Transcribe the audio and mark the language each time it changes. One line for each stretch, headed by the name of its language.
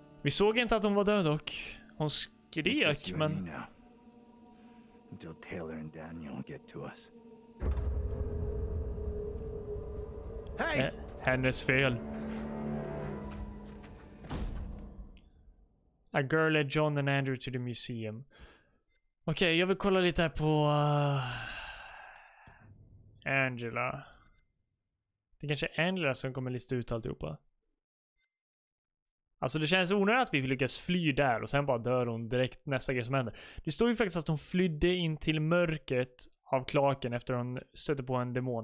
Swedish: Vi såg inte att hon var död och hon skrek, men
English: until Taylor and Daniel get to us. Hey!
Swedish: Hennes fel.
English: A girl led John and Andrew to the museum.
Swedish: Okej, okay, jag vill kolla lite här på Angela. Det är kanske Angela som kommer lista ut alltihopa. Alltså det känns onödigt att vi lyckas fly där och sen bara dör hon direkt nästa grej som händer. Det står ju faktiskt att hon flydde in till mörkret av klaken efter hon stötte på en demon.